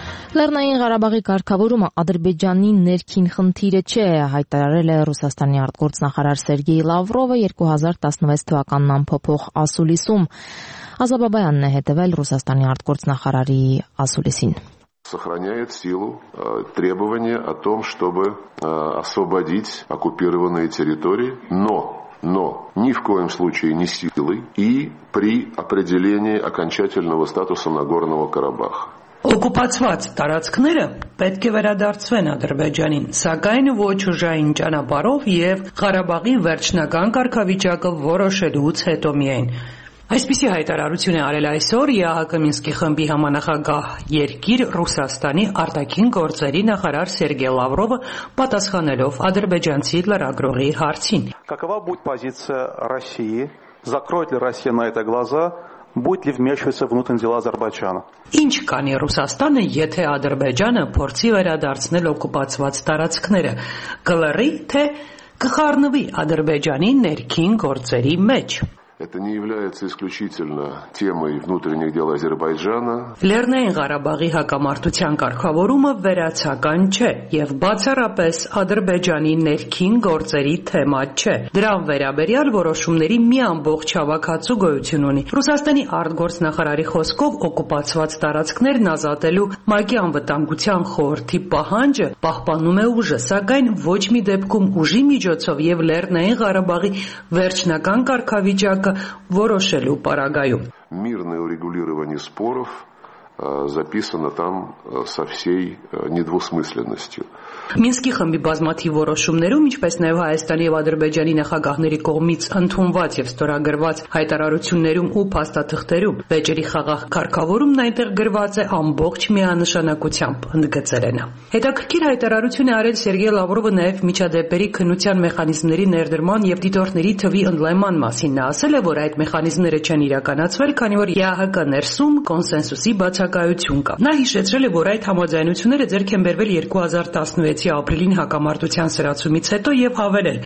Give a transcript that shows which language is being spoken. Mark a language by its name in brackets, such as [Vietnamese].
[Armenian] Լեռնային Ղարաբաղի կարգավորումը Ադրբեջանի ներքին խնդիրը չէ, հայտարարել է Ռուսաստանի արտգործնախարար Սերգեյ Լավրովը 2016 թվականն ամփոփող ասուլիսում։ Ազաբաբայանն է հետևել Ռուսաստանի արտգործնախարարի ասուլիսին։ [Russian] Сохраняет силу требование о том, чтобы освободить оккупированные территории, но ни в коем случае не силой и при определении окончательного статуса Нагорного Карабаха. [Armenian] Օկուպացված տարածքները պետք է վերադարձվեն Ադրբեջանին, սակայն ոչ ուժային ճանապարհով եւ Ղարաբաղի վերջնական կարգավիճակը որոշելուց հետո միայն։ Այսպիսի հայտարարություն է արել այսօր ԵԱՀԿ Մինսկի խմբի համանախագահ երկիր Ռուսաստանի արտաքին գործերի նախարար Սերգեյ Լավրովը պատասխանելով ադրբեջանցի լրագրողի հարցին. [Russian] Какова будет позиция России? Закроет ли Россия на это глаза? Будет ли вмешиваться в внутренние дела Азербайджана? [Armenian] Ինչ կանի Ռուսաստանը, եթե Ադրբեջանը փորձի վերադարձնել օկուպացված տարածքները, կլռի թե կխառնվի Ադրբեջանի ներքին գործերի մեջ։ [Russian] Это не является исключительно темой внутренних дел Азербайджана. [Armenian] Լեռնային Ղարաբաղի հակամարտության կարգավորումը վերացական չէ եւ բացառապես Ադրբեջանի ներքին գործերի թեմա չէ։ Դրան վերաբերյալ որոշումների մի ամբողջ հավաքածու գոյություն ունի։ Ռուսաստանի արտգործնախարարի խոսքով օկուպացված տարածքներն ազատելու ՄԱԿ-ի անվտանգության խորհրդի պահանջը պահպանում է ուժը, սակայն ոչ մի դեպքում ուժի միջոցով եւ Լեռնային Ղարաբաղի վերջնական կարգավիճակը ворошелю парагаю. [Russian] Мирное урегулирование споров записано там со всей недвусмысленностью. [Armenian] Մինսկի խմբի բազմաթիվ որոշումներում, ինչպես նաև Հայաստանի եւ Ադրբեջանի նախագահների կողմից ընդունված եւ ստորագրված հայտարարություններում ու փաստաթղթերում, վեճերի խաղաղ կարգավորումն այնտեղ գրված է ամբողջ միանշանակությամբ, հնդգծել են։ Հետաքրքիր հայտարարություն է արել Սերգեյ Լավրովը նաև միջադեպերի քննության մեխանիզմների ներդրման եւ դիտորդների թվի ընդլայման մասին։ Նա ասել է, որ այդ մեխանիզմները չեն իրականացվել, քանի որ ԵԱՀԿ ներսում կոնսենսուսի բացակայություն կա։ Նա հիշեցրել է, որ այդ համաձայնությունները ձեռք են բերվել 2016-ի ապրիլին հակամարտության սրացումից հետո եւ հավելել.